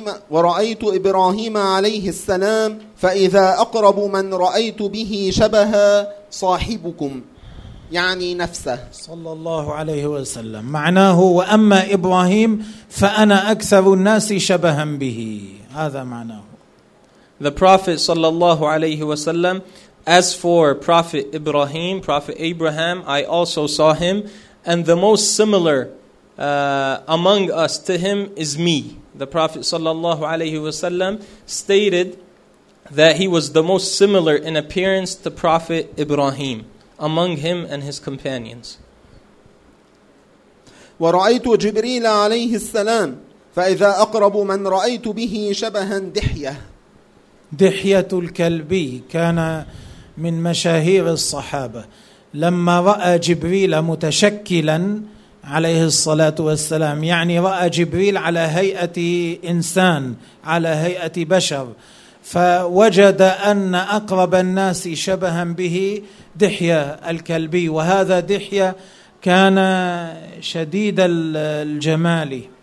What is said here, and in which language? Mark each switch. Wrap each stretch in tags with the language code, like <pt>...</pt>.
<ar>ورأيت إبراهيم عليه السلام فإذا أقرب من رأيت به شبه صاحبكم يعني نفسه صلى الله عليه وسلم معناه وأما إبراهيم فأنا أكثر الناس شبها به هذا معناه.</ar> <en>The Prophet صلى الله عليه وسلم, as for Prophet Ibrahim, Prophet Abraham, I also saw him, and the most similar among us to him is me. The Prophet sallallahu alayhi wasallam stated that he was the most similar in appearance to Prophet Ibrahim among him and his companions.</en> <ar>ورأيت جبريل عليه السلام فإذا أقرب من رأيت به شبها دحية. دحية الكلبي كان من مشاهير الصحابة. لما رأى جبريل متشكلا عليه الصلاة والسلام، يعني رأى جبريل على هيئة إنسان، على هيئة بشر، فوجد أن أقرب الناس شبها به دحية الكلبي، وهذا دحية كان شديد الجمال.</ar>